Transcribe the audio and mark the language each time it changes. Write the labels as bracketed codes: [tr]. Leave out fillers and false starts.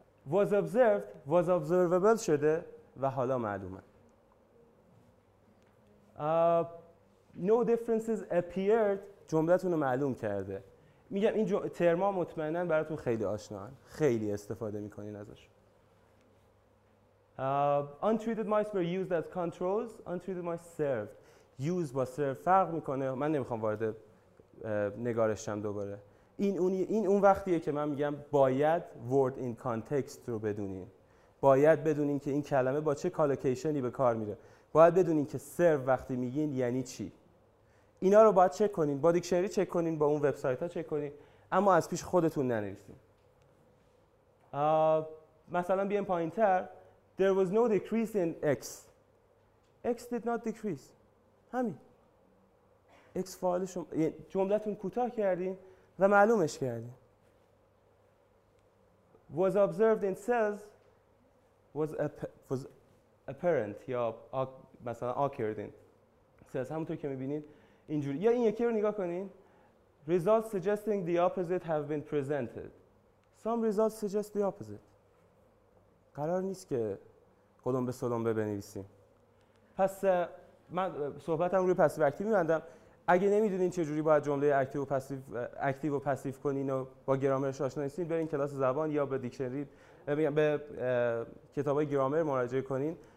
[en] was observed was observable [fa] شده و حالا معلومه. [en] No differences appeared [fa] جملتون رو معلوم کرده. میگم این ترما مطمئنن براتون خیلی آشناهن، خیلی استفاده میکنین ازش. [en] Untreated mice were used as controls. Untreated mice served. [fa] Use با serve فرق میکنه. من نمیخوام وارد نگارشم دوباره. این اون وقتیه که من میگم باید [en] word in context [fa] رو بدونین. باید بدونین که این کلمه با چه کالوکیشنی به کار میره. باید بدونین که سرو وقتی میگین یعنی چی. اینا رو باید چک کنین، با دیکشنری چک کنین، با اون وبسایت ها چک کنین، اما از پیش خودتون ننویسین. مثلا بیام پایین تر، [en] there was no decrease in x. x did not decrease. [fa] همین x فاعل شما، جملتون کوتاه کردین و معلومش کردین. [en] was observed in cells was apparent [fa] یا مثلا [en] occurred in cells. [fa] همونطور که میبینین اینجوری، یا این یکی رو نگاه کنین، [en] results suggesting the opposite have been presented. Some results suggest the opposite. [fa] قرار نیست که قلم به سلم بنویسیم. پس من صحبتم روی پسیو اکتیو می‌بندم. اگه نمیدونین چجوری باید جمله اکتیو و پسیو اکتیو و پسیو کنین و با گرامرش آشنا نیستین، برین کلاس زبان یا به دیکشنری میگم به کتابای گرامر مراجعه کنین.